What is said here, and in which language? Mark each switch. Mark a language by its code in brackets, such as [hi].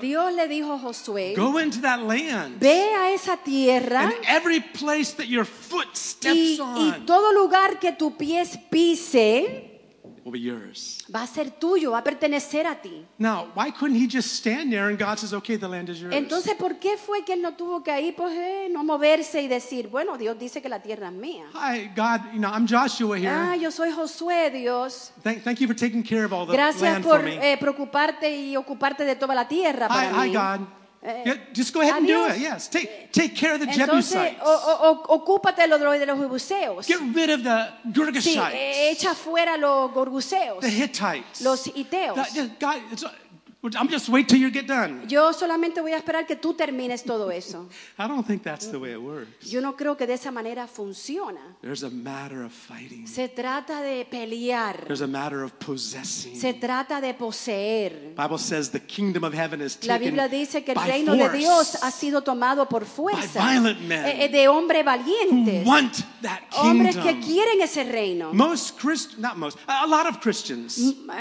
[es] Dios le dijo a Josué. [en] Go into that land. [es] Ve a esa tierra. [en] And every place that your foot steps on. [es] Y todo lugar que tu pie pise. [en] Will be yours. [es] Va a ser tuyo, va a pertenecer a ti. [en] Now, why couldn't he just stand there and God says, "Okay, the land is yours"? [es] Entonces, ¿por qué fue que él no tuvo que ahí, pues, no moverse y decir, bueno, Dios dice que la tierra es mía? [en] Hi, God, you know, I'm Joshua here. [es] Ah, yo soy Josué, Dios. [en] Thank you for taking care of all the [es] gracias [en] land [es] por, [en] for me. [es] Gracias por preocuparte y ocuparte de toda la tierra para [en] hi, [es] mí. [en] Hi, God. Just go ahead [es] adiós. [en] And do it. Yes, take care of the [es] entonces, [en] Jebusites. [es] Ocúpate de los jebuseos. [en] Get rid of the Girgashites. [es] Sí, echa fuera los gorguseos. [en] The Hittites. [es] Los Hiteos. [en] I'm just wait till you get done. [es] Yo solamente voy a esperar que tú termines todo eso. [en] I don't think that's the way it works. [es] Yo no creo que de esa manera funciona. [en] There's a matter of fighting. [es] Se trata de pelear. [en] There's a matter of possessing. [es] Se trata de poseer. [en] Bible says the kingdom of heaven is taken. [es] La Biblia dice que el reino de Dios ha sido tomado por fuerza. [en] By violent men. [es] De hombres valientes. [en] Who want that kingdom? [es] Hombres que quieren ese reino. [en] Most Christians, not most, a lot of Christians.